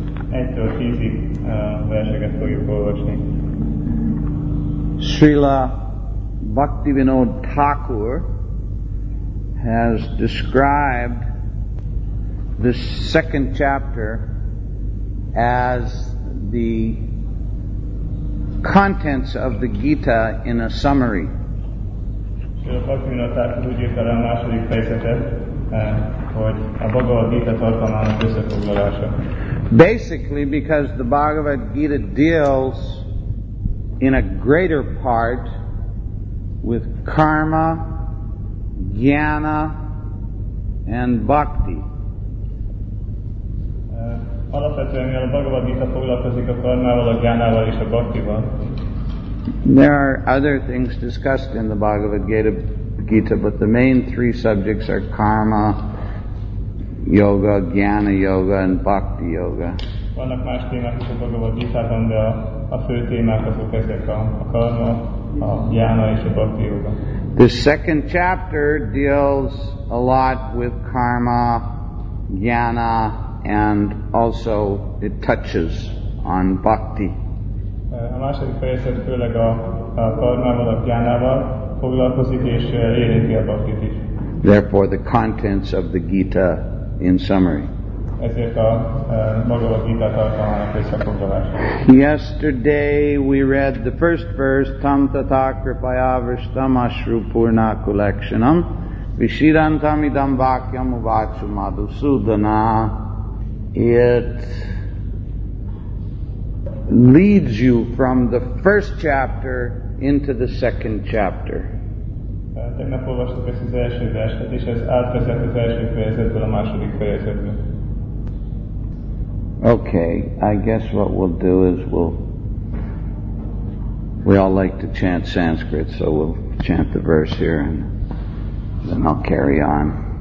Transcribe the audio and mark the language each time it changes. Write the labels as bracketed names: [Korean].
[Hungarian] Ettől tízig verseket fogjuk olvasni. [English] Srila Bhaktivinod Thakur has described this second chapter as the contents of the Gita in a summary. [Hungarian] Srila Bhaktivinod Thakur úgy írta rá a második fejezetet, hogy a Bhagavad Gita tartalmának összefoglalása. [English] Basically, because the Bhagavad Gita deals in a greater part with karma, jnana, and bhakti. [Hungarian] Alapvetően, mivel a Bhagavad Gita foglalkozik a karmával, a jnánával és a bhaktival. [English] There are other things discussed in the Bhagavad Gita, but the main three subjects are karma, yoga, jnana yoga, and bhakti yoga. [Hungarian] Vannak más témák is a Bhagavad Gita-ban, de a fő témák azok ezek a karma, a jnana és a bhakti yoga. [English] The second chapter deals a lot with karma, jnana, and also it touches on bhakti. [Hungarian] A második fejezet főleg a karmával, a jnanával foglalkozik és érinti a bhaktit is. [English] Therefore the contents of the Gita in summary. [Hungarian] Ezért a Bhagavad Gita tartalmának összefoglalása. [English] Yesterday we read the first verse, [Sanskrit] tam tatha kripaya vrishtam ashru purna kulakshanam vishirantam idam vakyam uvachu madhusudana. [English] It leads you from the first chapter into the second chapter. [Hungarian] Tegnap olvastuk ezt az első verset, és ez átvezet az első fejezetből a második fejezetbe. [English] Okay, I guess what we'll do is we all like to chant Sanskrit, so we'll chant the verse here and then I'll carry on.